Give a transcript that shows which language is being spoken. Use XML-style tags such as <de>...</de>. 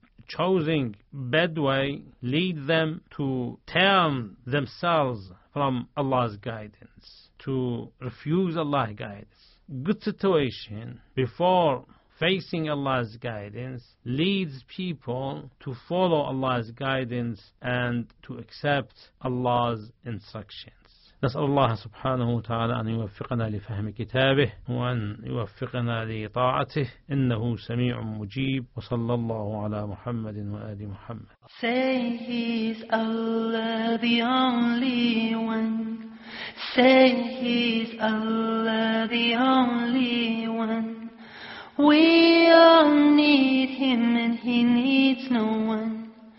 <en>Choosing bad way lead them to turn themselves from Allah's guidance, to refuse Allah's guidance. Good situation before facing Allah's guidance leads people to follow Allah's guidance and to accept Allah's instructions.</en> <ar>نسأل الله سبحانه وتعالى أن يوفقنا لفهم كتابه وأن يوفقنا لطاعته إنه سميع مجيب وصلى الله على محمد وآل محمد.</ar> <en>Say he's Allah the only one. Say he's Allah the only one. We all need him and he needs no one.</en>